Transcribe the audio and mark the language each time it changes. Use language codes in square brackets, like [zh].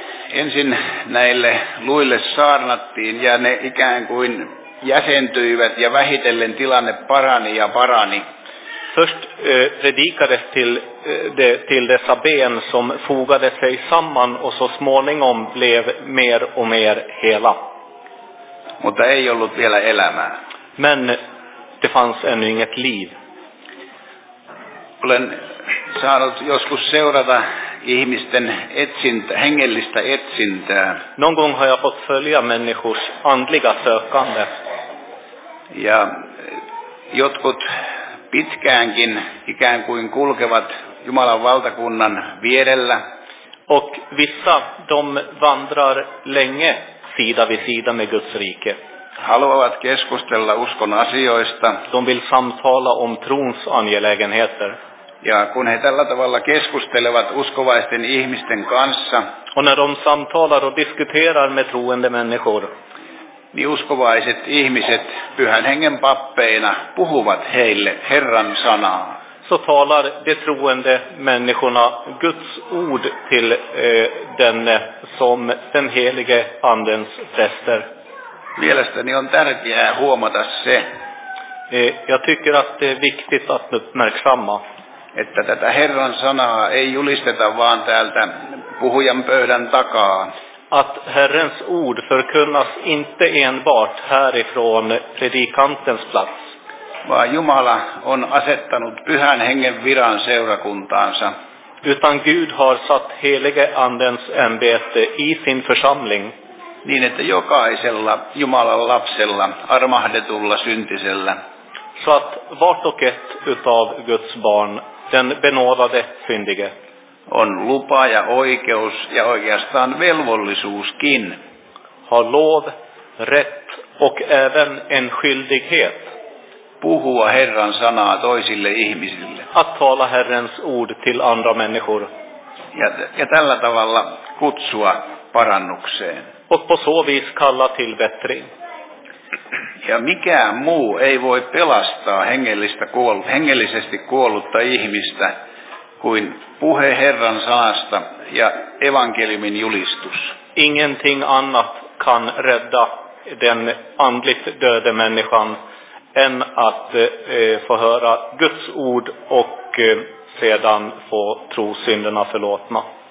[fi] Ensin näille luille saarnattiin ja ne ikään kuin jäsentyivät ja vähitellen tilanne parani ja parani. [sv] Först predikades till dessa ben som fogade sig samman och så småningom blev mer och mer hela. [fi] Mutta ei ollut vielä elämää. [sv] Men det fanns ännu inget liv. [fi] Olen saanut joskus seurata ihmisten hengellistä etsintää. [sv] Någon gång har jag fått följa människors andliga sökande. [fi] Ja jotkut pitkäänkin ikään kuin kulkevat Jumalan valtakunnan vierellä. [sv] Och vissa, de vandrar länge sida vid sida med Guds rike. [fi] Haluavat keskustella uskon asioista. [sv] De vill samtala om trons angelägenheter. [fi] Ja kun he tällä tavalla keskustelevat uskovaisten ihmisten kanssa. [sv] Och när de samtalar och diskuterar med troende människor, [fi] niin uskovaiset ihmiset Pyhän Hengen pappeina puhuvat heille Herran sanaa. [sv] Så talar de troende människorna Guds ord till denne som den helige andens präster. [fi] Mielestäni on tärkeää huomata se. [sv] Jag tycker att det är viktigt att uppmärksamma. [fi] Että tätä Herran sanaa ei julisteta vaan täältä puhujan pöydän takaa. [sv] Att Herrens ord förkunnas inte enbart härifrån predikantens plats. [fi] Vaan Jumala on asettanut Pyhän Hengen viran seurakuntaansa. [sv] Utan Gud har satt helige andens ämbete i sin församling. [fi] Niin että jokaisella Jumalan lapsella, armahdetulla syntisellä, [sv] så att vart och ett utav Guds barn, den benådade syndige, [fi] on lupa ja oikeus ja oikeastaan velvollisuuskin. [sv] Har lov, rätt och även en skyldighet. [fi] Puhua Herran sanaa toisille ihmisille. [sv] Att tala Herrens ord till andra människor. [fi] Ja tällä tavalla kutsua parannukseen. [sv] Och på så vis kalla till bättring. [fi] Ja mikään muu ei voi pelastaa hengellisesti kuollutta ihmistä kuin puhe Herran sanasta ja evankeliumin julistus. [sv] Ingenting annat kan rädda den andligt döde människan än att få höra Guds ord och sedan få tro synderna förlåtna.